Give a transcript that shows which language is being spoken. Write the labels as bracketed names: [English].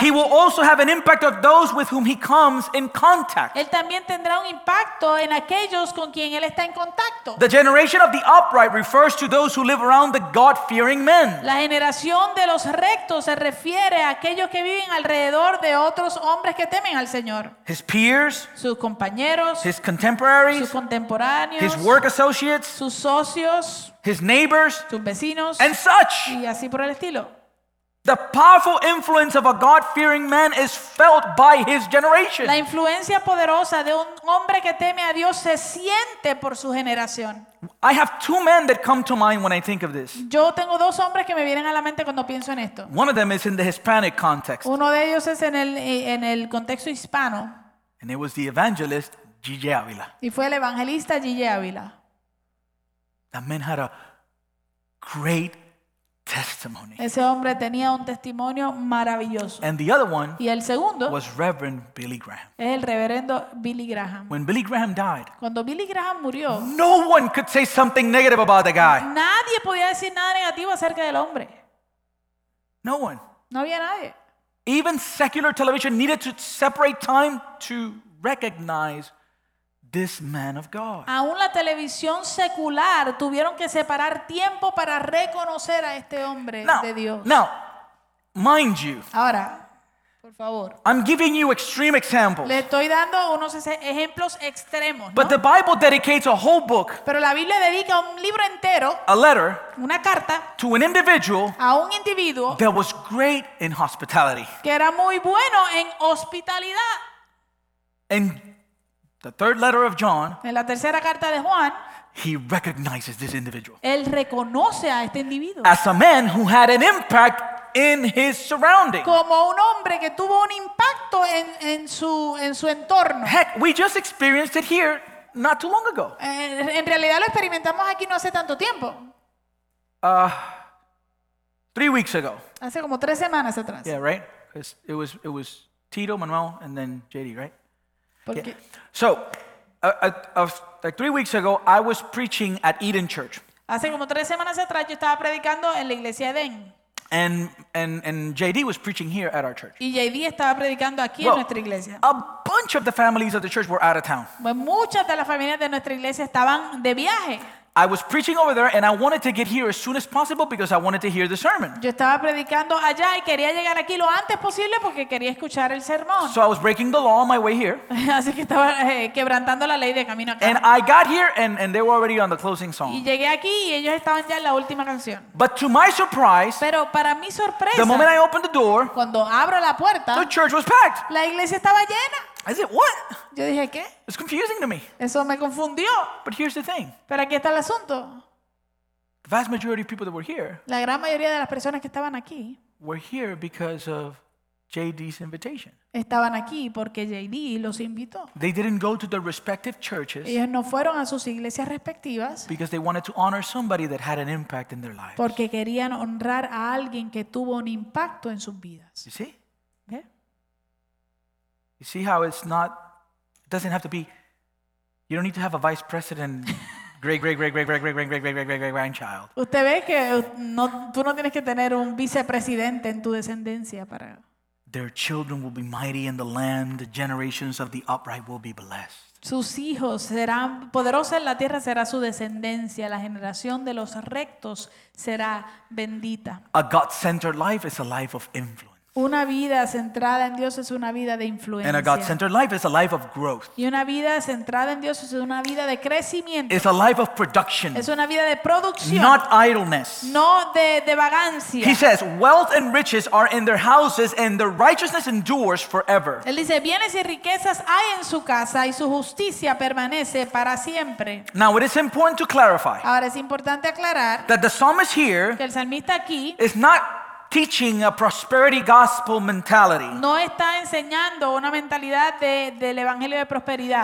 [English] he will also have an impact of those with whom he comes in contact. [Spanish] Él también tendrá un impacto en aquellos con quien él está en contacto. [English] The generation of the upright refers to those who live around the God-fearing men. [Spanish] La generación de los rectos se refiere a aquellos que viven alrededor alrededor de otros hombres que temen al Señor. [English] His peers, [Spanish] sus compañeros, [English] his contemporaries, [Spanish] sus contemporáneos, [English] his work associates, [Spanish] sus socios, [English] his neighbors, [Spanish] sus vecinos, [English] and such. [Spanish] Y así por el estilo. [English] The powerful influence of a God-fearing man is felt by his generation. [Spanish] La influencia poderosa de un hombre que teme a Dios se siente por su generación. [English] I have two men that come to mind when I think of this. [Spanish] Yo tengo dos hombres que me vienen a la mente cuando pienso en esto. [English] One of them is in the Hispanic context. [Spanish] Uno de ellos es en el contexto hispano. [English] And it was the evangelist Gigi Ávila. [Spanish] Y fue el evangelista Gigi Ávila. [English] That man had a great testimony. [Spanish] Ese hombre tenía un testimonio maravilloso. [English] And the other one, [Spanish] y el segundo, [English] was Reverend Billy Graham. [Spanish] Es el reverendo Billy Graham. [English] When Billy Graham died, [Spanish] cuando Billy Graham murió, [English] no one could say something negative about the guy. [Spanish] Nadie podía decir nada negativo acerca del hombre. [English] No one. [Spanish] No había nadie. [English] Even secular television needed to separate time to recognize this man of God. [Spanish] Aún la televisión secular tuvieron que separar tiempo para reconocer a este hombre de Dios. [English] Now, mind you. [Spanish] Ahora, por favor. [English] I'm giving you extreme examples. [Spanish] Le estoy dando unos ejemplos extremos, ¿no? [English] But the Bible dedicates a whole book. [Spanish] Pero la Biblia dedica un libro entero. [English] A letter. [Spanish] Una carta. [English] To an individual. [Spanish] A un individuo. [English] That was great in hospitality. [Spanish] Que era muy bueno en hospitalidad. [English] And the third letter of John, [Spanish] en la tercera carta de Juan, [English] he recognizes this individual. [Spanish] Él reconoce a este individuo. [English] As a man who had an impact in his surroundings. [Spanish] Como un hombre que tuvo un impacto en su entorno. [English] Heck, we just experienced it here not too long ago. [Spanish] En realidad lo experimentamos aquí no hace tanto tiempo. [English] 3 weeks ago. [Spanish] Hace como 3 semanas atrás. [English] Yeah, right? Because it was Tito, Manuel, and then JD, right? Yeah. So, like 3 weeks ago, I was preaching at Eden Church. [Spanish] Hace como 3 semanas atrás yo estaba predicando en la iglesia Eden. [English] And JD was preaching here at our church. [Spanish] Y JD estaba predicando aquí en nuestra iglesia. [English] A bunch of the families of the church were out of town. [Spanish] Bueno, muchas de las familias de nuestra iglesia estaban de viaje. [English] I was preaching over there, and I wanted to get here as soon as possible because I wanted to hear the sermon. [Spanish] Yo estaba predicando allá y quería llegar aquí lo antes posible porque quería escuchar el sermón. [English] So I was breaking the law on my way here. [Spanish] Así que estaba quebrantando la ley de camino acá. [English] And I got here, and they were already on the closing song. [Spanish] Y llegué aquí y ellos estaban ya en la última canción. [English] But to my surprise, [Spanish] pero para mi sorpresa, [English] the moment I opened the door, [Spanish] cuando abro la puerta, [English] the church was packed. [Spanish] La iglesia estaba llena. [English] I said, what? [Spanish] Yo dije, ¿qué? [English] It's confusing to me. [Spanish] Eso me confundió. [English] But here's the thing. [Spanish] Pero aquí está el asunto. [English] The vast majority of people that were here, [Spanish] la gran mayoría de las personas que estaban aquí, [English] were here because of JD's invitation. [Spanish] Estaban aquí porque JD los invitó. [English] They didn't go to their respective churches. [Spanish] Ellos no fueron a sus iglesias respectivas. [English] Because they wanted to honor somebody that had an impact in their lives. [Spanish] Porque querían honrar a alguien que tuvo un impacto en sus vidas. [English] You see? You see how it's not, it doesn't have to be, you don't need to have a vice president great-great-great-great-great-great-great-great-great-great-grandchild. [Spanish] Usted ve que no, tú no tienes que tener un vicepresidente en tu descendencia para. [English] Their children will be mighty in the land, the generations of the upright will be blessed. [Spanish] Sus hijos serán poderosos en la tierra, será su descendencia, la generación de los rectos será bendita. [English] A God-centered life is a life of influence. [Spanish] Una vida centrada en Dios es una vida de influencia. [English] And a God-centered life is a life of growth. [Spanish] Y una vida centrada en Dios es una vida de crecimiento. [English] It's a life of production. [Spanish] Es una vida de producción. [English] Not idleness. [Spanish] No de vagancia. [English] He says, wealth and riches are in their houses and their righteousness endures forever. [Spanish] Él dice, bienes y riquezas hay en su casa y su justicia permanece para siempre. [English] Now it is important to clarify. [Spanish] Ahora es importante aclarar [English] that the psalmist here, [Spanish] que el salmista aquí, [English] is not teaching a prosperity gospel mentality. [Spanish] No está enseñando una mentalidad del evangelio de prosperidad.